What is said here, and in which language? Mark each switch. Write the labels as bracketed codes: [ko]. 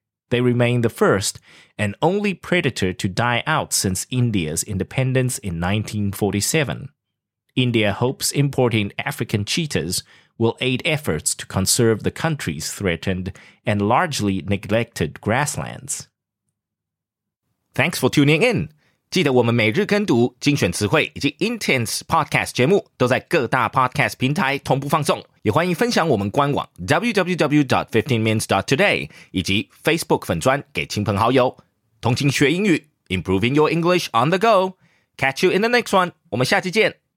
[en] They remain the first and only predator to die out since India's independence in 1947. India hopes importing African cheetahs will aid efforts to conserve the country's threatened and largely neglected grasslands. Thanks for tuning in! [zh] 记得我们每日跟读精选词汇以及 Intense Podcast 节目都在各大 Podcast 平台同步放送，也欢迎分享我们官网 www.15mins.today 以及 Facebook 粉专给亲朋好友。同情学英语 [en] Improving your English on the go. Catch you in the next one. [zh] 我们下期见。